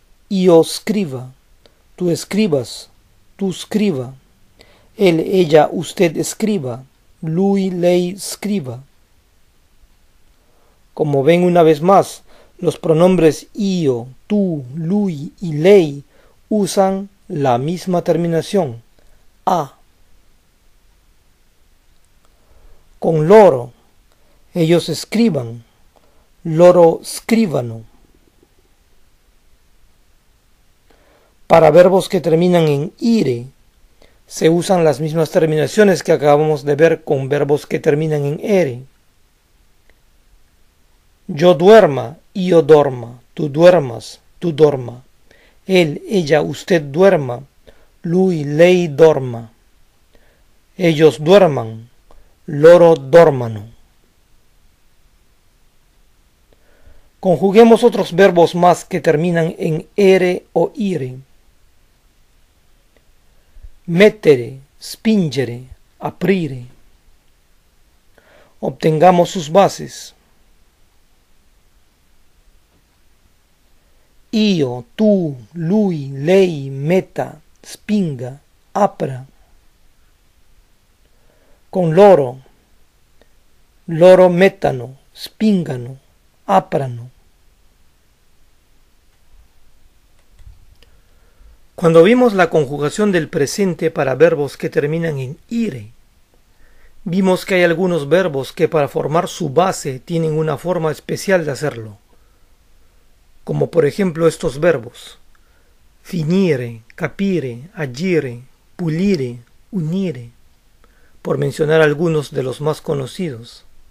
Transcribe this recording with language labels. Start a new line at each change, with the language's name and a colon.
Italian: Io scriva,
Spanish: tú escribas,
Italian: tú scriva,
Spanish: él, ella, usted escriba,
Italian: lui, lei scriva.
Spanish: Como ven una vez más, los pronombres io, tú, lui y lei usan la misma terminación, a. Con loro, ellos escriban,
Italian: loro scrivano.
Spanish: Para verbos que terminan en ire, se usan las mismas terminaciones que acabamos de ver con verbos que terminan en ere. Yo duerma,
Italian: io dorma,
Spanish: tú duermas,
Italian: tú dorma.
Spanish: Él, ella, usted duerma,
Italian: lui, lei dorma.
Spanish: Ellos duerman,
Italian: loro dormano.
Spanish: Conjuguemos otros verbos más que terminan en ere o ire. Mettere, spingere, aprire. Obtengamos sus bases.
Italian: Io, tu, lui, lei, meta, spinga, apra. Con loro. Loro metano, spingano, aprano.
Spanish: Cuando vimos la conjugación del presente para verbos que terminan en ire, vimos que hay algunos verbos que para formar su base tienen una forma especial de hacerlo, como por ejemplo estos verbos: finire, capire, agire, pulire, unire, por mencionar algunos de los más conocidos.